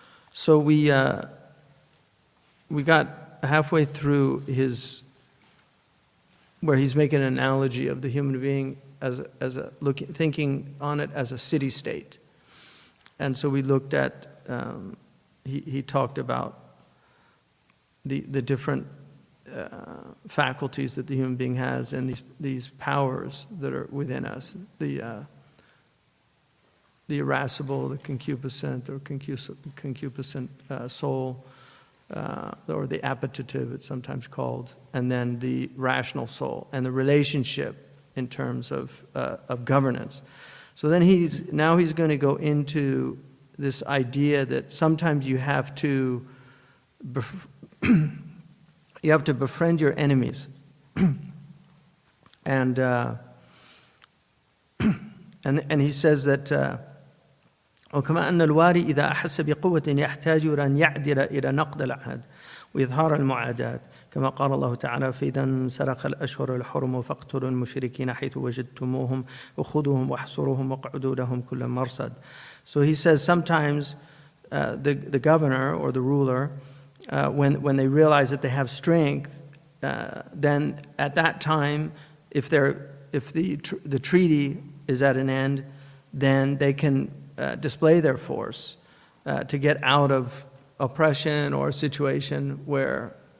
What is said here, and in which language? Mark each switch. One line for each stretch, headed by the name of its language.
English: So we got halfway through his, where he's making an analogy of the human being as a looking, thinking on it as a city state, and so we looked at he talked about the different faculties that the human being has, and these powers that are within us, the irascible, the concupiscent or concupiscent soul, or the appetitive, it's sometimes called, and then the rational soul, and the relationship in terms of governance. So then he's going to go into this idea that sometimes you have to you have to befriend your enemies, and he says that
Arabic: وكما أن الواري إذا أحس بقوة يحتاج إلى أن يعدل إلى نقض العهد وإظهار المعادات كما قال الله تعالى فإذا انسلخ الأشهر الحرم فاقتلوا المشركين حيث وجدتموهم وخذوهم واحصروهم واقعدوا لهم كل مرصد.
English: So he says sometimes the governor or the ruler, when they realize that they have strength, then at that time, if the treaty is at an end, then they can display their force to get out of oppression or a situation where